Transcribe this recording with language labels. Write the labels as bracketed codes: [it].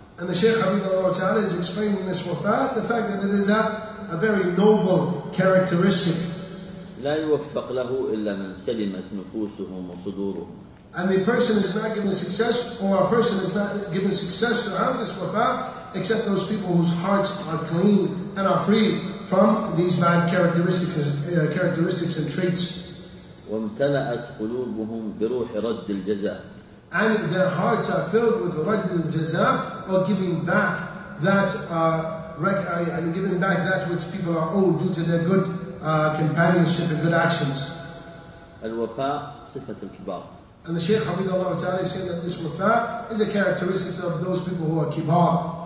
[en] And the Sheikh [ar] حفظه الله تعالى [en] is explaining this وفاء, the fact that it is a very noble characteristic. [ar] لا يوفق له إلا من سلمت نفوسهم وصدورهم. [en] And the person is not given success, or a person is not given success to have this وفاء, except those people whose hearts are clean and are free from these bad characteristics and traits. [ar] وامتلأت قلوبهم بروح رد الجزاء. [en] And their hearts are filled with [ar] رد الجزاء, [en] or giving back that and giving back that which people are owed due to their good companionship and good actions. [ar] الوفاء صفة الكبار. [en] And the Shaykh [ar] حفظه الله تعالى [en] is saying that this وفاء is a characteristic of those people who are كبار.